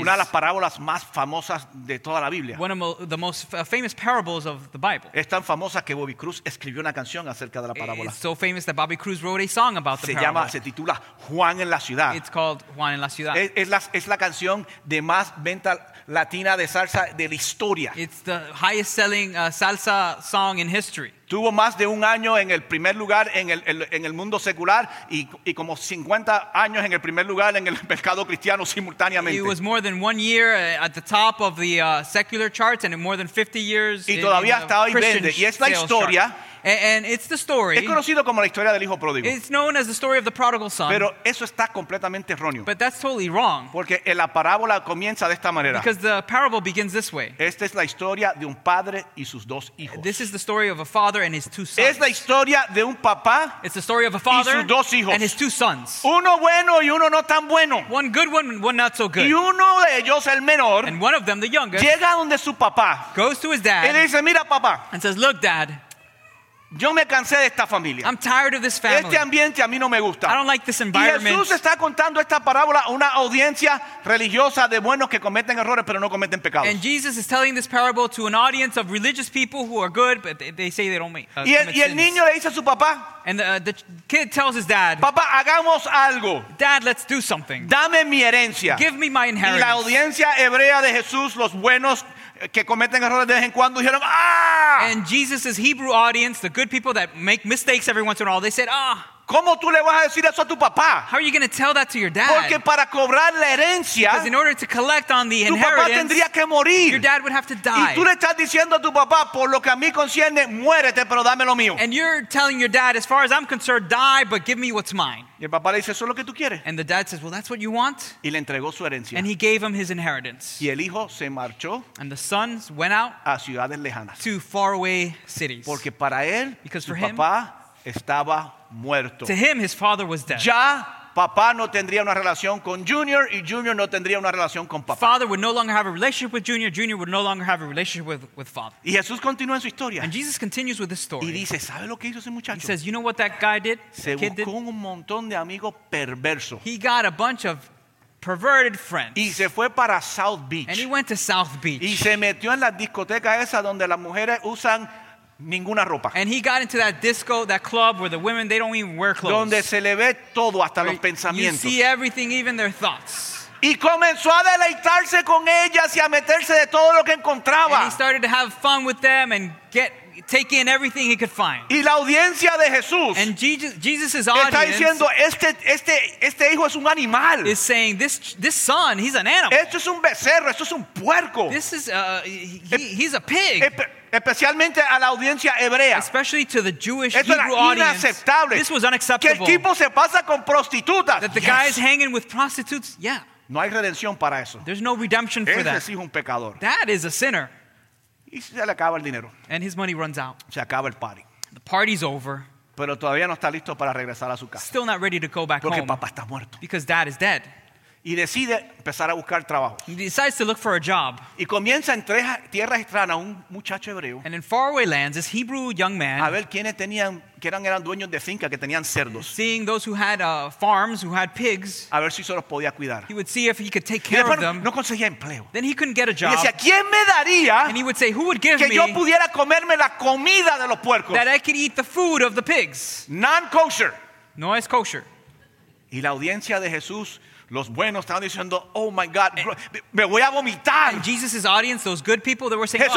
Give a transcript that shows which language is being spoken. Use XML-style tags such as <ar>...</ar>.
<es>Una de las parábolas más famosas de toda la Biblia.</es> <en>One of the most famous parables of the Bible.</en> <es>Es tan famosa que Bobby Cruz escribió una canción acerca de la parábola.</es> <en>It's so famous that Bobby Cruz wrote a song about the</en> <es>se llama,</es> <en>parable.</en> <es>Se titula Juan en la ciudad.</es> <en>It's called Juan en la ciudad.</en> <es>Es la canción de más venta latina de salsa de la historia.</es> <en>It's the highest selling salsa song in history.</en> <es>Tuvo más de un año en el primer lugar en el mundo secular y como 50 años en el primer lugar en el mercado cristiano simultáneamente.</es> <en>It was more than one year at the top of the secular charts and more than 50 years</en> <es>y todavía</es> <en>in the</en> <es>hoy</es> <en>Christian</en> <es>vende. Y es la historia.</es> <en>And it's the story.</en> <es>Es conocido como la historia del hijo pródigo.</es> <en>It's known as the story of the prodigal son.</en> <es>Pero eso está completamente erróneo.</es> <en>But that's totally wrong.</en> <es>Porque la parábola comienza de esta manera.</es> <en>Because the parable begins this way.</en> <es>Esta es la historia de un padre y sus dos hijos.</es> <en>This is the story of a father and his two sons.</en> <es>Es la historia de un papá</es> <en>it's the story of a father</en> <es>y sus dos hijos.</es> <en>And his two sons.</en> <es>Uno bueno y uno no tan bueno.</es> <en>One good one, one not so good.</en> <es>Y uno de ellos, el menor,</es> <en>and one of them, the youngest,</en> <es>llega donde su papá.</es> <en>Goes to his dad.</en> <es>Y le dice, mira, papá.</es> <en>And says, look, dad.</en> <es>Yo me cansé de esta familia.</es> <en>I'm tired of this family.</en> <es>Este ambiente a mí no me gusta.</es> <en>I don't like this environment.</en> <es>Y Jesús está contando esta parábola a una audiencia religiosa de buenos que cometen errores pero no cometen pecados.</es> <en>And Jesus is telling this parable to an audience of religious people who are good but they say they don't make.</en> <es>Y el niño le dice a su papá.</es> <en>And the kid tells his dad.</en> <es>Papá, hagamos algo.</es> <en>Dad, let's do something.</en> <es>Dame mi herencia.</es> <en>Give me my inheritance.</en> <es>Y la audiencia hebrea de Jesús, los buenos que cometen errores de vez en cuando dijeron ¡ah!</es> <en>And Jesus' Hebrew audience, the good people that make mistakes every once in a while, they said ¡ah!</en> <es>¿Cómo tú le vas a decir eso a tu papá?</es> <en>How are you going to tell that to your dad?</en> <es>Porque para cobrar la herencia,</es> <en>because in order to collect on the inheritance,</en> <es>tu papá tendría que morir.</es> <en>Your dad would have to die.</en> <es>Y tú le estás diciendo a tu papá, por lo que a mí concierne, muérete, pero dame lo mío.</es> <en>And you're telling your dad, as far as I'm concerned, die, but give me what's mine.</en> <es>Y el papá le dice, eso es lo que tú quieres.</es> <en>And the dad says, well, that's what you want.</en> <es>Y le entregó su herencia.</es> <en>And he gave him his inheritance.</en> <es>Y el hijo se marchó.</es> <en>And the sons went out</en> <es>a ciudades lejanas.</es> <en>To faraway cities.</en> <es>Porque para él,</es> <en>because</en> <es>su</es> <en>for him,</en> <es>papá estaba muerto.</es> <en>To him, his father was dead.</en> <es>Ya papá no tendría una relación con Junior y Junior no tendría una relación con papá.</es> <en>Father would no longer have a relationship with Junior. Junior would no longer have a relationship with father.</en> <es>Y Jesús continúa en su historia.</es> <en>And Jesus continues with this story.</en> <es>Y dice, ¿sabe lo que hizo ese muchacho?</es> <en>He says, you know what that guy did?</en> <es>Se buscó un montón de amigos perversos.</es> <en>He got a bunch of perverted friends.</en> <es>Y se fue para South Beach.</es> <en>And he went to South Beach.</en> <es>Y se metió en la discoteca esa donde las mujeres usan ninguna ropa.</es> <en>And he got into that disco, that club where the women, they don't even wear clothes.</en> <es>Donde se le ve todo, hasta los pensamientos.</es> <en>You see everything, even their thoughts.</en> <es>Y comenzó a deleitarse con ellas y a meterse de todo lo que encontraba.</es> <en>And he started to have fun with them and take in everything he could find.</en> <es>Y la audiencia de Jesús.</es> <en>And Jesus' audience.</en> <es>Está diciendo, este hijo es un animal.</es> <en>Is saying, this son, he's an animal.</en> <es>Esto es un becerro, esto es un puerco.</es> <en>This is, he's a pig.</en> <es>Especialmente a la audiencia hebrea.</es> <en>Especially to the Jewish</en> <es>esto</es> <en>Hebrew</en> <es>era inaceptable.</es> <en>This was unacceptable.</en> <es>Que el tipo se pasa con prostitutas.</es> <en>That the yes. guy is hanging with prostitutes. Yeah.</en> <es>No hay redención para eso.</es> <en>There's no redemption for</en> <es>ese</es> <en>that.</en> <es>Ese es un pecador.</es> <en>That is a sinner.</en> <es>Y se le acaba el dinero.</es> <en>And his money runs out.</en> <es>Se acaba el party.</es> <en>The party's over.</en> <es>Pero todavía no está listo para regresar a su casa.</es> <en>Still not ready to go back</en> <es>porque</es> <en>home.</en> <es>Porque papá está muerto.</es> <en>Because dad is dead.</en> <es>Y decide empezar a buscar trabajo.</es> <en>He decides to look for a job.</en> <es>Y comienza en tierras extranjeras un muchacho hebreo.</es> <en>And in faraway lands, this Hebrew young man.</en> <es>A ver quiénes tenían, que eran dueños de finca, que tenían cerdos.</es> <en>Seeing those who had farms, who had pigs.</en> <es>A ver si se los podía cuidar.</es> <en>He would see if he could take care of them.</en> <es>No conseguía empleo.</es> <en>Then he couldn't get a job.</en> <es>Y decía, ¿quién me daría?</es> <en>And he would say, who would give</en> <es>que</es> <en>me</en> <es>yo pudiera comerme la comida de los puercos?</es> <en>That I could eat the food of the pigs. Non-kosher.</en> <es>No es kosher. Y la audiencia de Jesús, los buenos estaban diciendo,</es> <en>oh my God, bro,</en> <es>me voy a vomitar.</es> <en>And Jesus' audience, those good people, they were saying,</en>